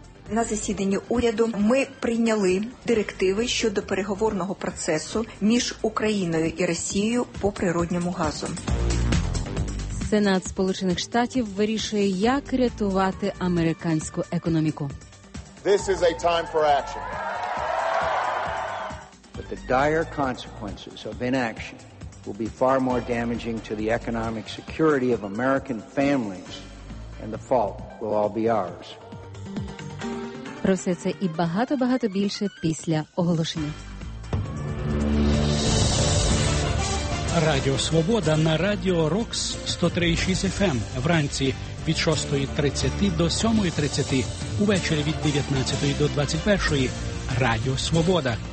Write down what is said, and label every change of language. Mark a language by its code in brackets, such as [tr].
[uk] На засіданні уряду ми прийняли директиви щодо переговорного процесу між Україною і Росією по природньому газу. Сенат Сполучених Штатів вирішує, як рятувати американську економіку. [en] This is a time for action. But the dire consequences of inaction will be far more damaging to the economic security of American families, and the fault will all be ours. [uk] Про все це і багато-багато більше після оголошення. Радіо Свобода на радіо Рокс 103.6 FM вранці від 6.30 до 7.30, увечері від 19 до 21. Радіо Свобода.